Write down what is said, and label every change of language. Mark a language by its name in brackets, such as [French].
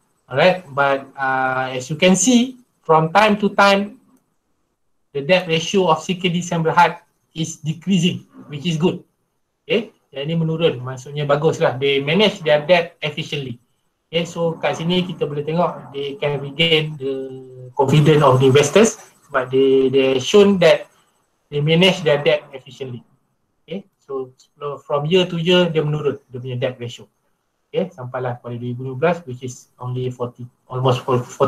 [English] Alright, but as you can see, from time to time, the debt ratio of CKD Sam Berhad is decreasing, which is good. [Malay] Okay, yang ni menurun, maksudnya bagus lah. [English] They manage their debt efficiently. Okay, so [Malay] kat sini kita boleh tengok, [English] they can regain the confidence of the investors, but they shown that they manage their debt efficiently. [Malay] Okay, so from year to year, dia menurun, dia punya debt ratio. [English] Okay, [Malay] sampailah pada [English] 2015, which is only 43%.